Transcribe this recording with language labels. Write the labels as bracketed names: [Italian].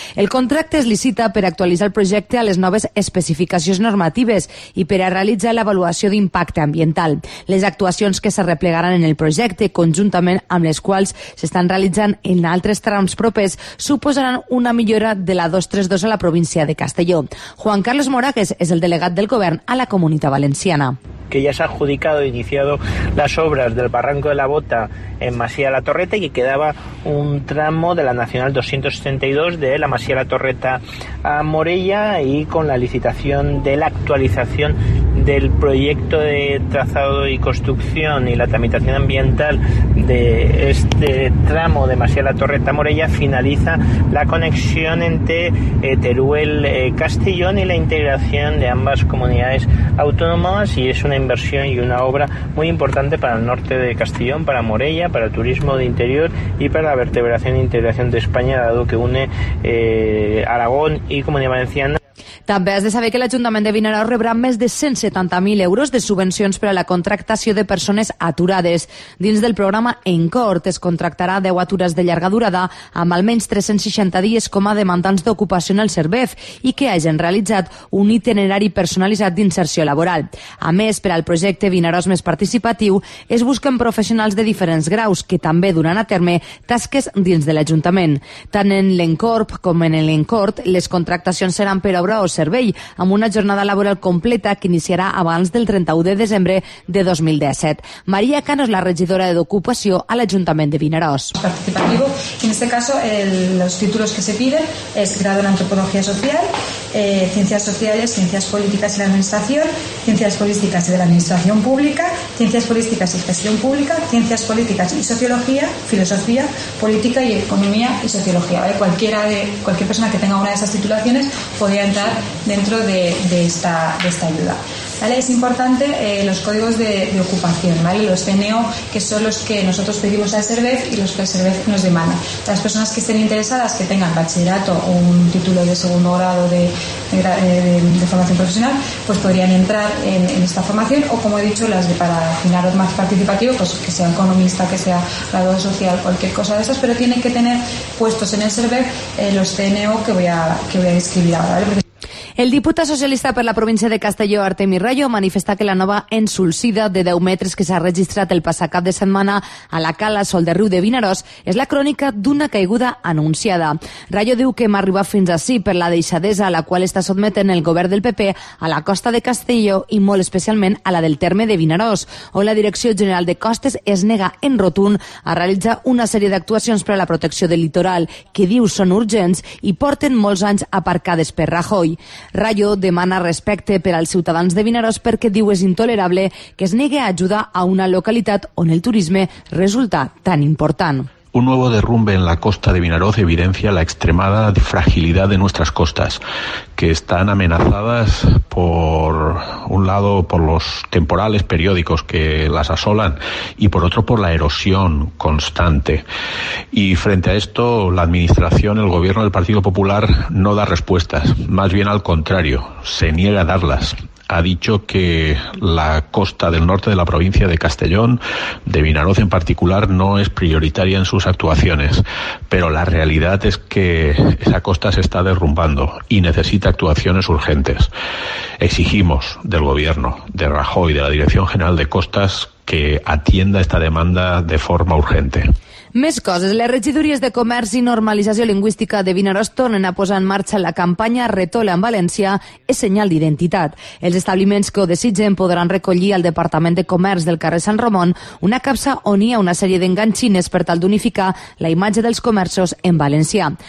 [Catalan] El contracte es licita per actualitzar el projecte a les noves especificacions normatives i per a realitzar l'avaluació d'impacte ambiental. Les actuacions que s'ha plegaran en el projecte, conjuntament amb les quals s'estan realitzant en altres trams propers, suposaran una millora de la 232 a la província de Castelló. Juan Carlos Moragues és el delegat del govern a la Comunitat Valenciana. [Spanish] Que ja s'ha adjudicado e iniciado las obras del Barranco de la Bota en Masía la Torreta y que quedaba un tramo de la Nacional 262 de la Masía la Torreta a Morella, y con la licitación de la actualización del proyecto de trazado y construcción y la tramitación ambiental de este tramo de Masía la Torreta a Morella finaliza la conexión entre Teruel-Castellón y la integración de ambas comunidades autónomas, y es una inversión y una obra muy importante para el norte de Castellón, para Morella, para el turismo de interior y para la vertebración e integración de España, dado que une Aragón y Comunidad Valenciana. [Catalan] També has de saber que l'Ajuntament de Vinaròs rebrà més de 170.000 euros de subvencions per a la contractació de persones aturades. Dins del programa Encort es contractarà 10 aturats de llarga durada amb almenys 360 dies com a demandants d'ocupació en el Servef i que hagin realitzat un itinerari personalitzat d'inserció laboral. A més, per al projecte Vinaròs més participatiu, es busquen professionals de diferents graus que també duran a terme tasques dins de l'Ajuntament. Tant en l'Encorp com en l'Encort, les contractacions seran per obra o servei, amb una jornada laboral completa que iniciarà abans del 31 de desembre de 2017. Maria Cano és la regidora d'Ocupació a l'Ajuntament de Vinaròs. [Spanish] Participativo, en este caso, los títulos que se piden es grado en Antropología Social, Ciencias Sociales, Ciencias Políticas y la Administración, Ciencias Políticas y de la Administración Pública, Ciencias Políticas y Gestión Pública, Ciencias Políticas y Sociología, Filosofía, Política y Economía y Sociología, ¿vale? Cualquier persona que tenga una de esas titulaciones podría entrar dentro de esta ayuda, ¿vale? Es importante los códigos de ocupación, ¿vale? Los CNO, que son los que nosotros pedimos al Servef y los que el Servef nos demanda. Las personas que estén interesadas, que tengan bachillerato o un título de segundo grado de formación profesional, pues podrían entrar en esta formación, o como he dicho, las de para final más participativo, pues que sea economista, que sea graduado social, cualquier cosa de esas, pero tienen que tener puestos en el Servef los CNO que voy a describir ahora, ¿vale? [Catalan] El diputat socialista per la província de Castelló, Artemi Rayo, manifesta que la nova ensulsida de 10 metres que s'ha registrat el passat cap de setmana a la cala Sol de Riu de Vinaròs és la crònica d'una caiguda anunciada. Rayo diu que hem arribat fins ací per la deixadesa a la qual està sotmetent el govern del PP a la costa de Castelló i molt especialment a la del terme de Vinaròs, on la Direcció General de Costes es nega en rotund a realitzar una sèrie d'actuacions per a la protecció del litoral, que diu són urgents i porten molts anys aparcades per Rajoy. Rayo demana respecte per als ciutadans de Vinaròs perquè diu és intolerable que es negue a ajudar a una localitat on el turisme resulta tan important. [Spanish] Un nuevo derrumbe en la costa de Vinaròs evidencia la extremada fragilidad de nuestras costas, que están amenazadas por un lado por los temporales periódicos que las asolan y por otro por la erosión constante. Y frente a esto, la administración, el gobierno del Partido Popular no da respuestas, más bien al contrario, se niega a darlas. Ha dicho que la costa del norte de la provincia de Castellón, de Vinaròs en particular, no es prioritaria en sus actuaciones. Pero la realidad es que esa costa se está derrumbando y necesita actuaciones urgentes. Exigimos del gobierno, de Rajoy, de la Dirección General de Costas, que atienda esta demanda de forma urgente. [Catalan] Més coses. Les regidories de Comerç i Normalització Lingüística de Vinaròs tornen a posar en marxa la campanya Retola en València és senyal d'identitat. Els establiments que ho desitgen podran recollir al Departament de Comerç del carrer Sant Ramon una capsa on hi ha una sèrie d'enganxines per tal d'unificar la imatge dels comerços en valencià.